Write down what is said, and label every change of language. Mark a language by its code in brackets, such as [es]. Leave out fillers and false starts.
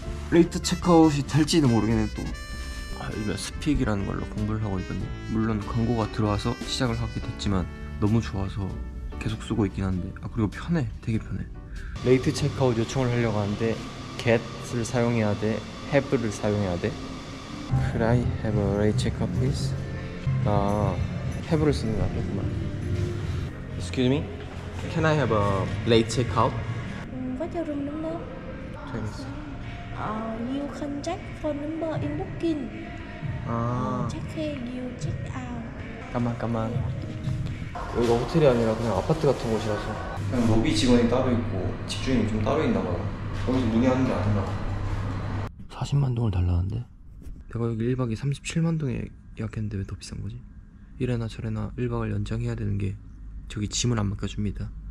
[ko] 레이트 체크아웃이 될지도 모르겠네 또. 요즘에 스픽이라는 걸로 공부를 하고 있거든요. 물론 광고가 들어와서 시작을 하게 됐지만 너무 좋아서 계속 쓰고 있긴 한데. 아 그리고 편해, 되게 편해. 레이트 체크아웃 요청을 하려고 하는데 get을 사용해야 돼, have를 사용해야 돼. [en] Could I have a late checkout please? [ko] 나 have를 쓰는 거 아니구만. [en] Excuse me? Can I have a late checkout? What's your room number? [ko] 재밌어. [en] You can check for number in booking. [ko] 아. [en] Check you check out. [ko] 잠깐만. 여기가 호텔이 아니라 그냥 아파트 같은 곳이라서 그냥 로비 직원이 따로 있고 직주인이 좀 따로 있나 봐요. 거기서 문의하는 게 아닌가. 40만 동을 달라는데? 내가 여기 1박에 37만 동에 예약했는데 왜 더 비싼 거지? 이래나 저래나 1박을 연장해야 되는 게 저기 짐을 안 맡겨줍니다.